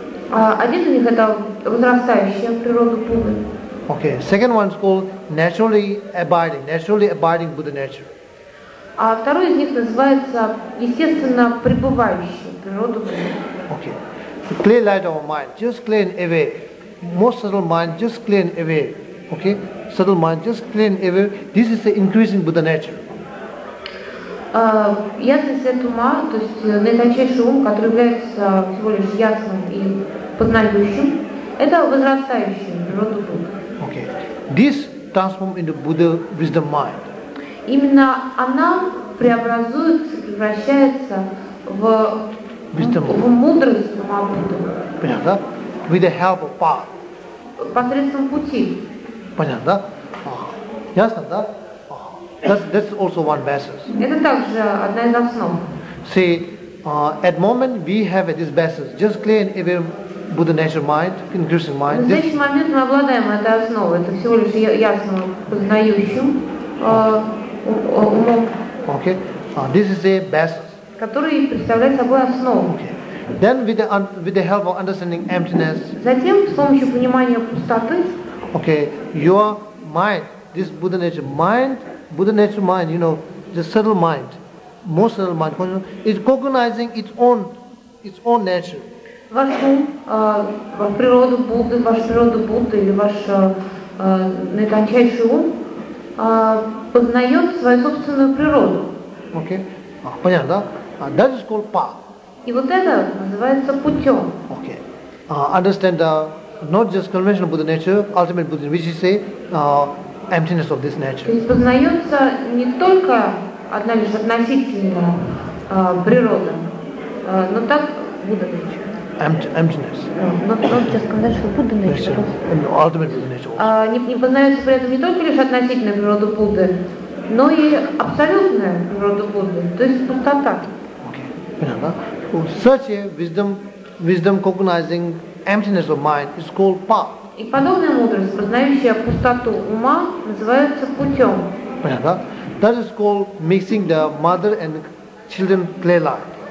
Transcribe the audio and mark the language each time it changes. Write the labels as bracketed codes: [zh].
[ru] Один из них это возрастающая природа Будды. [en] Okay, second one is called naturally abiding Buddha nature. [ru] А второй из них называется естественно пребывающая природа Будды. [en] Okay, the clear light of our mind, just clear and aware. Most subtle mind, just clear and aware. Okay, subtle mind, just clear and aware. This is the increasing Buddha nature. [ru] Ясный свет ума, то есть наитончайший ум, который является всего лишь ясным и познающим, это возрастающая природа Будды. [en] This transforms into Buddha wisdom mind. [ru] Именно она преобразуется, превращается в [en] wisdom. [ru] В мудрость ума Будды. Понятно, да? [en] With the help of path. [ru] Посредством пути. Понятно, да? Ясно, да? [en] That's also one basis. [ru] Это также одна из основ. [en] See, at moment we have this basis, just clear and aware. Buddha nature mind, increasing mind. [ru] В настоящий момент мы обладаем этой основой. Это всего лишь ясно познающим умом. [en] Okay. This is a basis. [ru] Который представляет собой основу. [en] Okay. Then with the help of understanding emptiness. [ru] Затем с помощью понимания пустоты. [en] Okay. Your mind, this Buddha nature mind, you know, the subtle mind, most subtle mind, is cognizing its own nature. [ru] Ваш ум, природа Будды, ваша природа Будды или ваш наитончайший ум познает свою собственную природу. [en] Окей. Okay. [ru] Понятно, да? [en] That is called path. [ru] И вот это называется путем. [en] Окей. Okay. Understand not just conventional Buddha nature, ultimate Buddha, which is say emptiness of this nature. [ru] То есть познается не только одна лишь относительная природа, но так Будда nature. [en] Emptiness. [ru] Но сейчас сказать, что Будда нечто. Не познается при этом не только лишь относительная природа Будды, но и абсолютная природа Будды, то есть пустота. [en] Okay. [ru] Понятно. [en] Such a wisdom cognizing emptiness of mind is called path. [ru] И подобная мудрость, познающая пустоту ума, называется путем. Понятно. [en] That is called mixing the mother and children clear light.